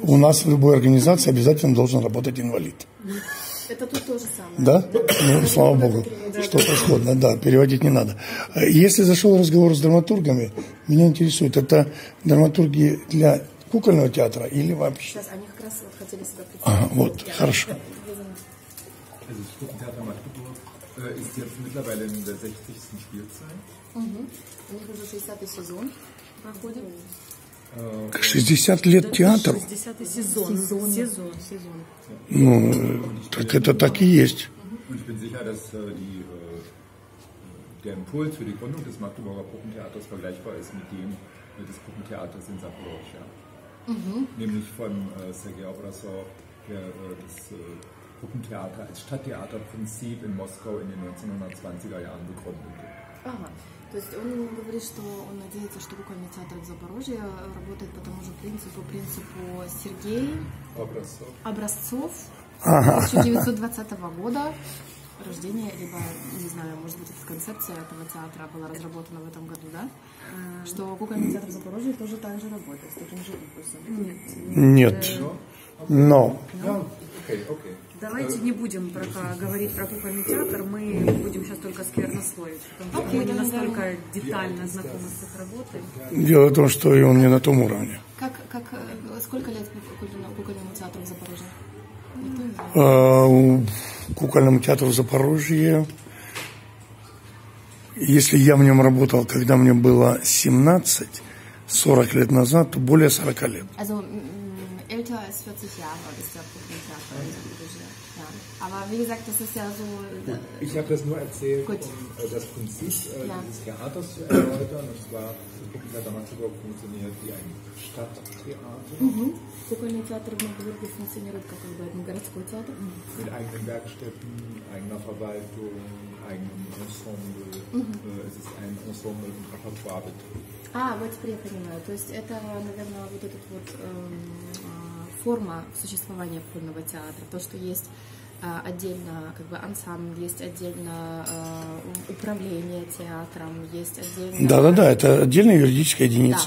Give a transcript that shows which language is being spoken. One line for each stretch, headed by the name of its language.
Russian: У нас в любой организации обязательно должен работать инвалид. Это тут то же самое. Да? Ну, слава богу, что происходит. Да, переводить не надо. Если зашел разговор с драматургами, меня интересует, это драматурги для кукольного театра или вообще? Сейчас, они как раз вот хотели себя представить. Вот, хорошо.
German: Also das Stuttgarter Magdeburg ist jetzt mittlerweile in der 60. Spielzeit. Mhm. Und ich muss 60.
Russian: Saison проходит. 60 лет театру. 60-й сезон. Ну, так это так и есть.
German: Und ich bin sicher, dass der Impuls für die Gründung des Magdeburger Puppentheaters vergleichbar ist mit dem des Puppentheaters in Saporischschja. Nämlich von Sergei Obrasow, der das Puppentheater als Stadttheaterprinzip in Moskau in den 1920er Jahren begründet.
Russian: Ага. То есть он говорит, что он надеется, что кукольный театр в Запорожье работает по тому же принципу Сергея Образцов 1920 года. Рождение, либо, не знаю, может быть, эта концепция этого театра была разработана в этом году, да? Что кукольный театр в Запорожье тоже так же работает, с таким же выпуском. Нет. Но. Давайте не будем говорить про кукольный театр, мы будем сейчас только сквернословить. Мы не настолько детально знакомы с их работой. Дело в том, что и он не на том уровне. Как сколько лет кукольному театру в Запорожье? Кукольному театру в Запорожье если я в нем работал, когда мне было 17, 40 лет назад, то более 40 лет.
German: Also, älter als 40 Jahre ist der Puppentheater. Aber wie gesagt, das ist ja so... Ich habe das nur erzählt, gut. Um das Prinzip dieses Theaters zu erläutern. Und zwar, das Puppentheater damals überhaupt funktioniert wie ein Stadttheater. Puppentheater mhm. Magdeburg funktioniert
Russian: как
German: ein
Russian: городской театр.
German: Mit eigenen Werkstätten, eigener Verwaltung, eigenem Ensemble. Mhm. Es ist ein Ensemble und Repertoirebetrieb.
Russian: А, вот теперь я понимаю. То есть это, наверное, вот эта вот форма существования кукольного театра. То, что есть отдельно как бы ансамбль, есть отдельно управление театром, есть отдельно... Да-да-да, это отдельная юридическая единица.